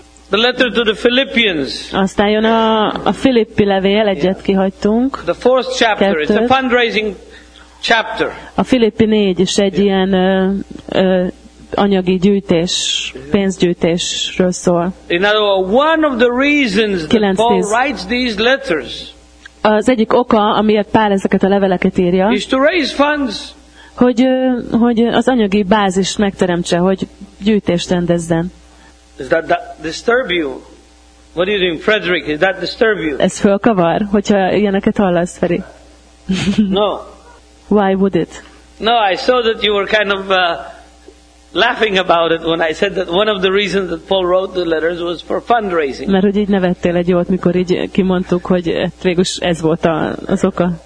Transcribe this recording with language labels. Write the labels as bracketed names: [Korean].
[English] The letter to the Philippians. [Hungarian] Aztán jön a Filippi levél, egyet kihagytunk. [English] The fourth chapter is a fundraising chapter. [Hungarian] A Filippi 4 is egy ilyen anyagi gyűjtés, pénzgyűjtésről szól. [English] In other words, one of the reasons that Paul writes these letters. [Hungarian] Az egyik oka, amiért Pál ezeket a leveleket írja, [English] is to raise funds. [Hungarian] Hogy az anyagi bázist megteremtse, hogy gyűjtést rendezzen. [English] Does that disturb you? What do you think, Frederick? Does that disturb you? [Hungarian] Ez fölkavar, hogyha ilyeneket hallasz, Feri. [English] No. Why would it? No, I saw that you were kind of laughing about it when I said that one of the reasons that Paul wrote the letters was for fundraising. [Hungarian] Mert hogy így nevettél egy jót, mikor így kimondtuk, hogy végülis ez volt az oka.